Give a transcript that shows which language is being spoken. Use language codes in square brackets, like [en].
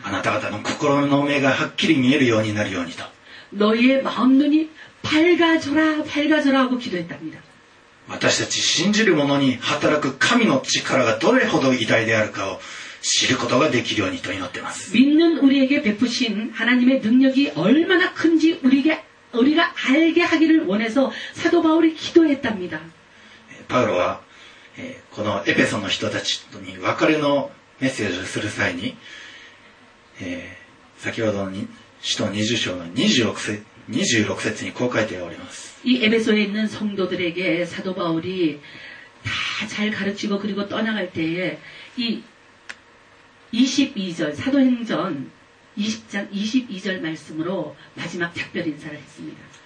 [ja] あなた方の心の目がはっきり見えるようになるようにと [ko] 너희의마음눈이밝아져라밝아져라하고기도했답니다 [ja] 私たち信じる者に働く神の力がどれほど偉大であるかを知ることができるようにと祈ってます [ko] 믿는우리에게베푸신하나님의능력이얼마나큰지우리에게 알게 하기를 원해서 사도 바울이 기도했답니다. [ja] 바울은 このエペソの人たちに別れのメッセージをする際に、先ほどの使徒20章の26節にこう書いております。 [ko] 이에베소에있는성도들에게사도바울이다잘가르치고그리고떠나갈때에이22절사도행전20장22절말씀으로마지막작별인사를했습니다。